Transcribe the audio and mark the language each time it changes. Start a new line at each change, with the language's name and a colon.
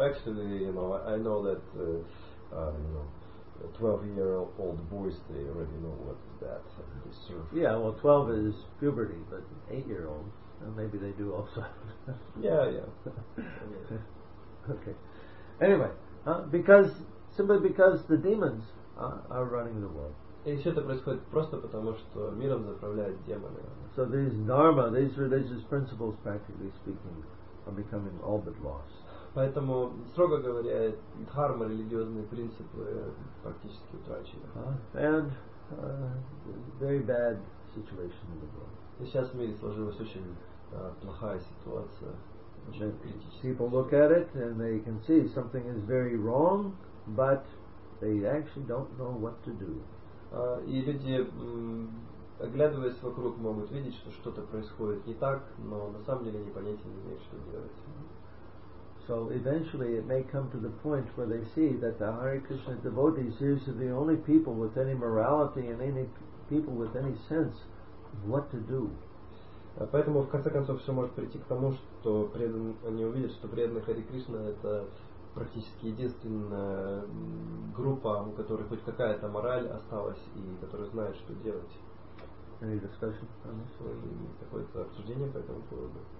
English: Actually, you know, I know that 12-year-old boys, they already know what that is. Yeah, well, 12 is puberty, but 8-year-old. And maybe they do also. yeah. Okay. Anyway, because the demons are running the world.
Russian: И все это происходит просто потому, что миром заправляют демоны.
English: So these dharma, these religious principles, practically speaking, are becoming all but lost.
Russian: Поэтому, строго говоря, дхарма, религиозные принципы практически утрачены.
English: And very bad situation in the world.
Russian: И сейчас в мире сложилось очень плохая ситуация.
English: People look at it and they can see something is very wrong, but they actually don't know what to do.
Russian: И люди, оглядываясь вокруг, могут видеть, что что-то происходит не так, но на самом деле они понятия не имеют, что делать.
English: So eventually it may come to the point where they see that the Hare Krishna devotees are the only people with any morality and any people with any sense of what to do.
Russian: Поэтому, в конце концов, все может прийти к тому, что они увидят, что преданные Харе Кришна — это практически единственная группа, у которой хоть какая-то мораль осталась и которая знает, что делать.
English: Any discussion?
Russian: Какое-то обсуждение по этому поводу?